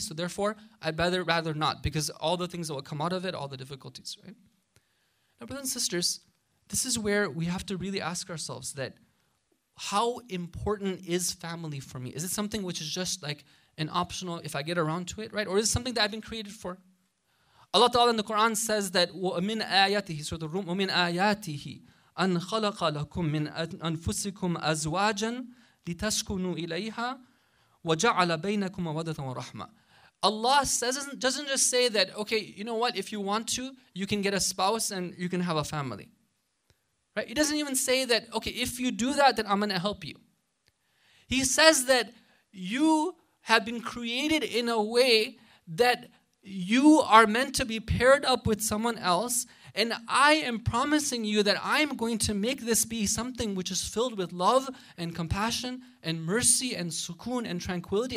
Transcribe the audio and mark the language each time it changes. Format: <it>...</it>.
<en>So therefore, I'd rather not, because all the things that will come out of it, all the difficulties, right? Now, brothers and sisters, this is where we have to really ask ourselves that, how important is family for me? Is it something which is just like an optional if I get around to it, right? Or is it something that I've been created for? Allah Ta'ala in the Quran says that</en> <ar>وَمِنْ آيَاتِهِ سُورَةُ الرُّومِ وَمِنْ آيَاتِهِ أَنْ خَلَقَ لَكُمْ مِنْ أَنفُسِكُمْ أَزْوَاجًا لِتَسْكُنُوا إِلَيْهَا وَجَعَلَ بَيْنَكُمْ مَوَدَّةً وَرَحْمَةً.</ar> <en>Allah doesn't just say that, okay, you know what, if you want to, you can get a spouse and you can have a family. Right? He doesn't even say that, okay, if you do that, then I'm going to help you. He says that you have been created in a way that you are meant to be paired up with someone else, and I am promising you that I'm going to make this be something which is filled with love and compassion and mercy and sukoon and tranquility.</en>